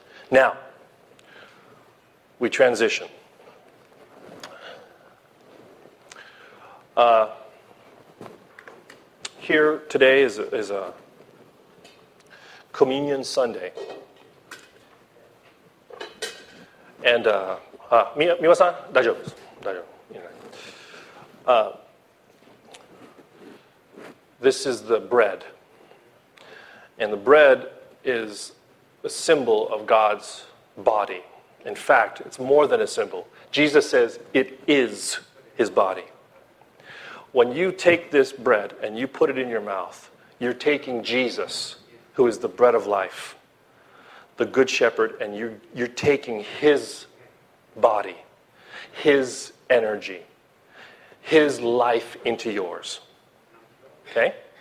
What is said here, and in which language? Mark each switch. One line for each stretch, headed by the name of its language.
English: Now, we transition. Here today is a communion Sunday.
Japanese: And, Miwa-san, 大丈夫です。大丈夫。
English: This is the bread. And the bread is a symbol of God's body. In fact, it's more than a symbol. Jesus says it is his body. When you take this bread and you put it in your mouth, you're taking Jesus, who is the bread of life, the good shepherd, and you're taking his body, his energy, his life into yours. Okay?